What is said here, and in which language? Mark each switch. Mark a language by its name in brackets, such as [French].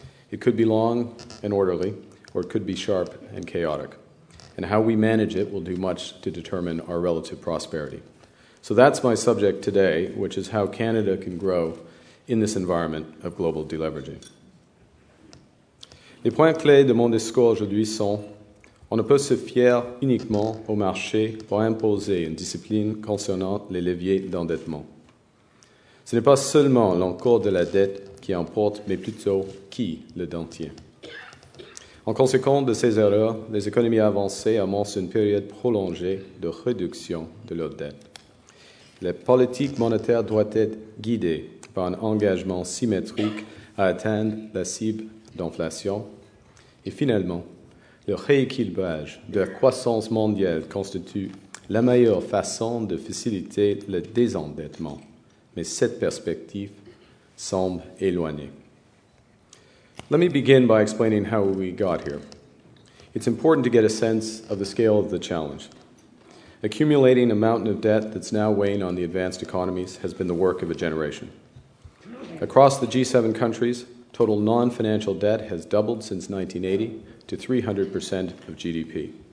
[English] It could be long and orderly, or it could be sharp and chaotic. And how we manage it will do much to determine our relative prosperity. So that's my subject today, which is how Canada can grow in this environment of global deleveraging. [French] Les points clés de mon discours aujourd'hui sont: on ne peut se fier uniquement au marché pour imposer une discipline concernant les leviers d'endettement. Ce n'est pas seulement l'encours de la dette qui emporte, mais plutôt qui le détient. En conséquence de ces erreurs, les économies avancées amorcent une période prolongée de réduction de leur dette. La politique monétaire doit être guidée par un engagement symétrique à atteindre la cible d'inflation. Et finalement, le rééquilibrage de la croissance mondiale constitue la meilleure façon de faciliter le désendettement. Mais cette perspective semble éloignée. [English] Let me begin by explaining how we got here. It's important to get a sense of the scale of the challenge. Accumulating a mountain of debt that's now weighing on the advanced economies has been the work of a generation. Across the G7 countries, total non-financial debt has doubled since 1980 to 300% of GDP.